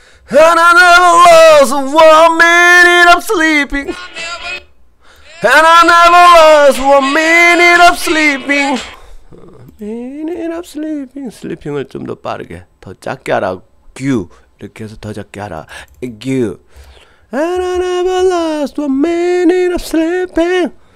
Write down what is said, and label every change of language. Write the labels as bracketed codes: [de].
[en] And I never lost lost one minute of sleeping. And I never lost one minute of sleeping. Minute of sleeping. [ko] Sleeping을 좀 더 빠르게, 더 작게 하라. 규. 이렇게 해서 더 작게 하라. 규. [en] And I never lost one minute of sleeping.